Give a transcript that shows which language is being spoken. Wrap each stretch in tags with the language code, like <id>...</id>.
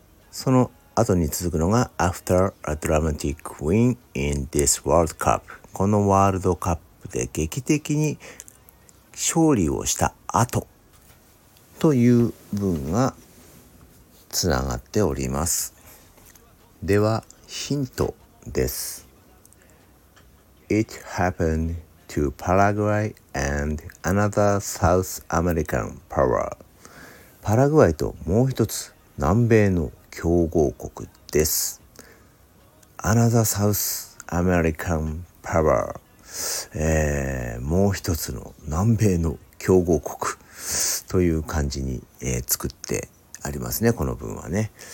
<ja>その後に続くのが</ja> <en>After a dramatic win in this World Cup、</en> <ja>このワールドカップで劇的に勝利をした後という文がつながっております。ではヒントです。</ja> <en>It happened to Paraguay and another South American power.</en> <ja>パラグアイともう一つ南米の強豪国です。</ja> <en>Another South American power.</en> <ja>もう一つの南米の強豪国という感じに、作ってありますね、この文はね。</ja>